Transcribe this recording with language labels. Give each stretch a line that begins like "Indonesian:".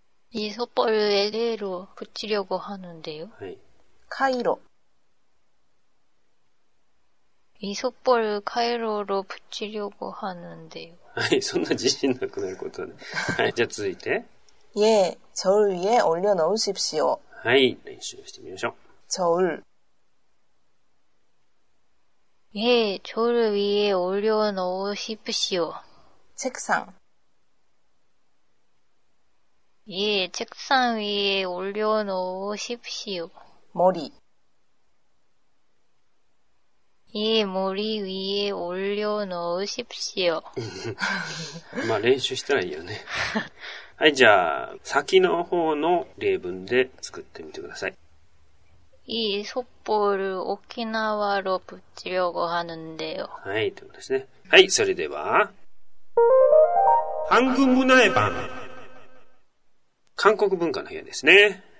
Korean: 이소포를 LA 로붙이려고하는데요。
Japanese: はい。
Korean: 카이로。 이소포를카이로로붙이려고하는데요。
Japanese: はい、そんな自信なくなることはない。はい、じゃあ続いて。
Korean: 예、저울위에올려놓으십시오。
Japanese: はい、練習してみましょう。
Korean: 저울。 예、저울위에올려놓으십시오。 책상。 예、책상위에올려놓으십시오。 머리。 이머리위에올려놓으십시오。
Japanese: まあ練習したらいいよね。はい、じゃあ先の方の例文で作ってみてください。
Korean: 이소포를沖縄로붙이려고하는데요。
Japanese: はい、ということですね。はい、それでは
Korean: 한국문화의밤、
Japanese: 韓国文化の部屋ですね。